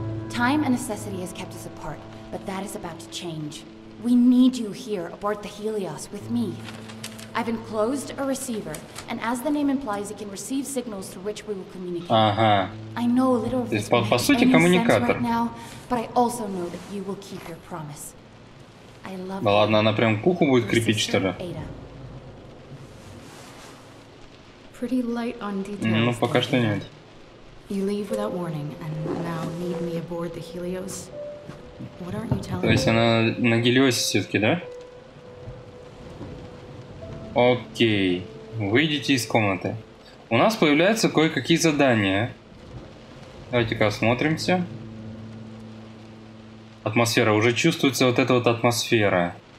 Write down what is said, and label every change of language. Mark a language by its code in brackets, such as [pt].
[en] Time and necessity has kept us apart, but that is about to change. We need you here aboard the Helios with me. I've enclosed a receiver, and as the name implies, it can receive signals through which we will communicate. [ru] Ага. [en] I know little of this makes any sense right now, but I also know that you will keep your promise. I love. [ru] Да ладно, она прям к уху будет крепить, что ли? [en] Pretty light on details. [ru] Ну, пока что нет. [en] You leave without warning and now need me aboard the Helios. What aren't you telling me? [ru] То есть она на Гелиосе все-таки, да? Окей. Выйдите из комнаты. У нас появляются кое-какие задания. Давайте-ка осмотримся. Атмосфера. Уже чувствуется вот эта вот атмосфера.